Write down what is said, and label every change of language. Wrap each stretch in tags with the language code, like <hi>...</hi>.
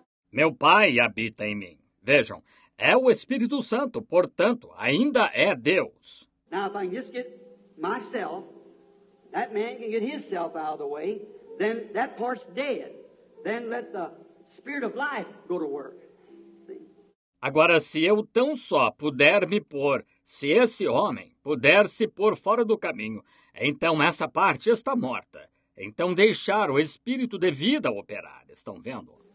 <pt>Meu Pai habita em mim. Vejam, é o Espírito Santo, portanto, ainda é Deus.</pt> <en>Now, if I can just get myself, that man can get himself out of the way, then that part's dead. Then let the Spirit of life go to work.</en> <pt>Agora, se eu tão só puder me pôr, se esse homem puder se pôr fora do caminho, então essa parte está morta. Então deixar o Espírito de vida operar, estão vendo?</pt>